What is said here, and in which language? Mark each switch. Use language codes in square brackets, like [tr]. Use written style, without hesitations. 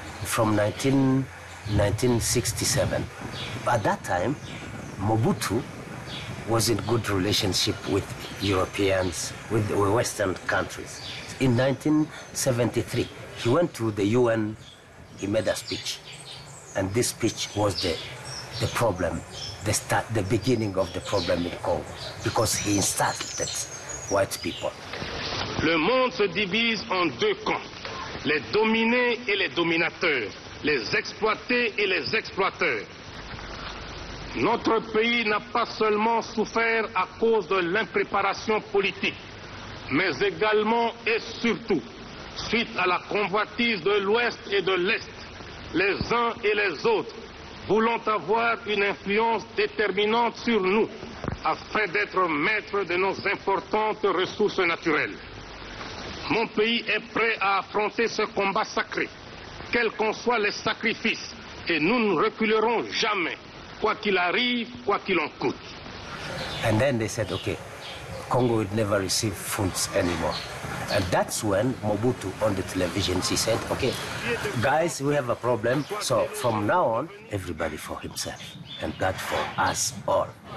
[en] From 1967. At that time, Mobutu was in good relationship with Europeans, with the Western countries. In 1973, he went to the UN, he made a speech, and this speech was the problem, the start, the beginning of the problem in Congo, because he insulted white people. [fr] Le monde se divise en deux camps, les dominés et les dominateurs, les exploités et les exploiteurs. Notre pays n'a pas seulement souffert à cause de l'impréparation politique, mais également et surtout, suite à la convoitise de l'Ouest et de l'Est, les uns et les autres voulant avoir une influence déterminante sur nous, afin d'être maître de nos importantes ressources naturelles. Mon pays est prêt à affronter ce combat sacré, quels qu'en soient les sacrifices, et nous ne reculerons jamais, quoi qu'il arrive, quoi qu'il en coûte. [en] And then they said, okay, Congo would never receive funds anymore. And that's when Mobutu on the television, she said, okay, guys, we have a problem. So from now on, everybody for himself and God for us all.